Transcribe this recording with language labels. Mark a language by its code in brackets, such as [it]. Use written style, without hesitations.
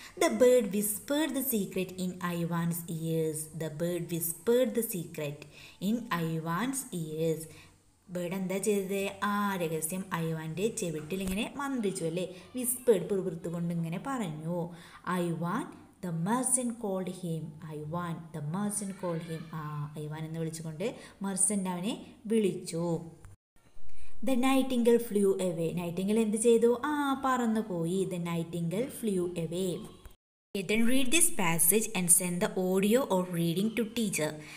[en] The bird whispered the secret in Ivan's ears. The bird whispered the secret in Ivan's ears. [ml] Bird എന്താ ചെയ്തത്? ആ രഹസ്യം ഐവാൻ്റെ ചെവിട്ടിൽ ഇങ്ങനെ മന്ത്രിച്ചു അല്ലേ? വിസ്പേർഡ് പുറപുറത്ത് കൊണ്ട് ഇങ്ങനെ പറഞ്ഞു. [en] Ivan the merchant called him. Ivan the merchant called him. [ml] ആ ഐവാൻ എന്ന് വിളിച്ചുകൊണ്ട് മെർച്ചൻ്റ് അവനെ വിളിച്ചു. [en] The nightingale flew away. [ml] Nightingale എന്ത് ചെയ്തു? ആ പറന്നുപോയി. [en] The nightingale flew away. Then read this passage and send the audio of reading to teacher.